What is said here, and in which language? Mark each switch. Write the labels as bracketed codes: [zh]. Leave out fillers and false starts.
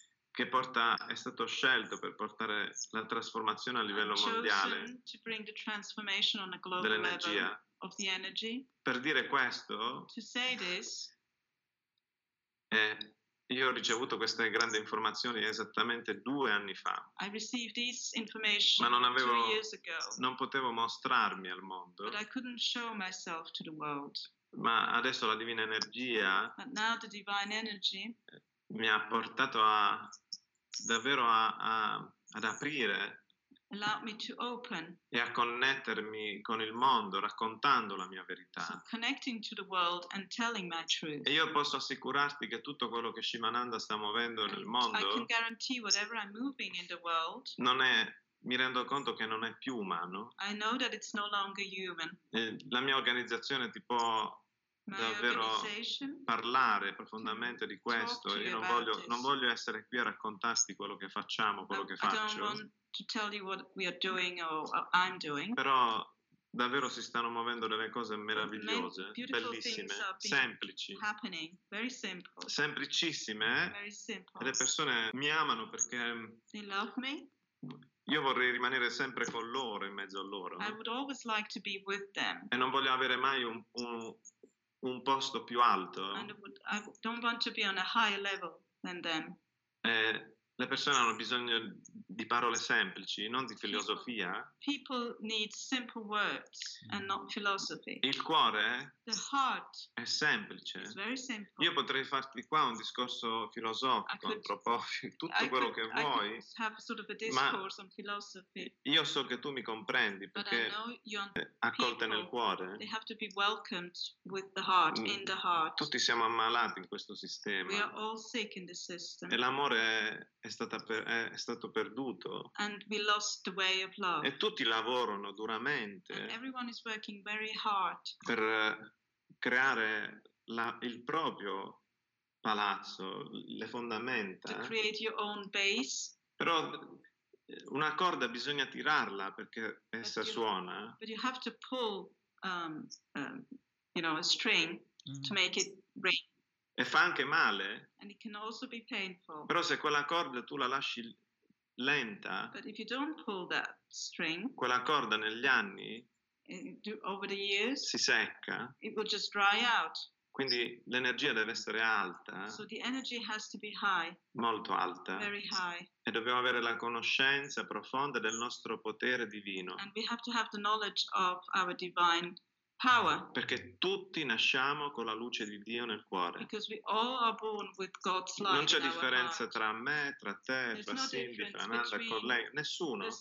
[it] Che porta è stato scelto per portare la trasformazione a livello mondiale [en] to bring the transformation on a global [it] dell'energia [en] level of the energy. [it] Per dire questo [en] to say this, [it] io ho ricevuto queste grandi informazioni esattamente 2 anni fa. [en] I received this information [it] ma non avevo, [en] 2 years ago, [it] non potevo mostrarmi al mondo [en] but I couldn't show myself to the world. [it] Ma adesso la divina energia [en] but now the divine energy [it] mi ha portato a davvero ad aprire [en] allowed me to open [it] e a connettermi con il mondo raccontando la mia verità. [en] So connecting to the world and telling my truth. [it] E io posso assicurarti che tutto quello che Shimananda sta muovendo [en] and [it] nel mondo [en] I can guarantee whatever I'm moving in the world [it] non è mi rendo conto che non è più umano. [en] I know that it's no longer human. [it] La mia organizzazione tipo davvero parlare profondamente di questo. Io non voglio essere qui a raccontarti quello che facciamo, quello [en] but [it] che faccio. [en] I don't want to tell you what we are doing or I'm doing. [it] Però davvero si stanno muovendo delle cose meravigliose, bellissime, semplici. [en] Happening. Very simple. [it] Semplicissime. [en] Very simple. [it] E le persone mi amano perché [en] they love me. [it] Io vorrei rimanere sempre con loro, in mezzo a loro. [en] I would always like to be with them. [it] E non voglio avere mai un posto più alto. [en] And I don't want to be on a higher level than them. [it] Le persone hanno bisogno di parole semplici, non di filosofia. [en] People need simple words and not philosophy. [it] Il cuore [en] the heart [it] è semplice. [en] It's very simple. [it] Io potrei farti qua un discorso filosofico, [en] I could have sort of a discourse on philosophy. [it] Io so che tu mi comprendi perché accolte nel cuore. [en] They have to be welcomed with the heart, in the heart. [it] Tutti siamo ammalati in questo sistema. [en] We are all sick in this system. [it] E l'amore è stato perduto. [en] And we lost the way of love. [it] E tutti lavorano duramente. [en] And everyone is working very hard. [it] Per creare il proprio palazzo, le fondamenta. [en] To create your own base. [it] Però una corda bisogna tirarla perché essa suona. [en] But you have to pull, a string to make it ring. [it] E fa anche male. [en] And it can also be painful. [it] Però se quella corda tu la lasci lenta, [en] but if you don't pull that string, [it] quella corda negli anni [en] over the years, [it] si secca. [en] It will just dry out. [it] Quindi l'energia deve essere alta. [en] So the energy has to be high. [it] Molto alta. [en] Very high. [it] E dobbiamo avere la conoscenza profonda del nostro potere divino. [en] And we have to have the knowledge of our divine power. [it] Perché tutti nasciamo con la luce di Dio nel cuore. [en] Because we all are born with God's light. [it] Non c'è differenza tra me, tra te, tra Cindy, tra Nanda, con lei, nessuno.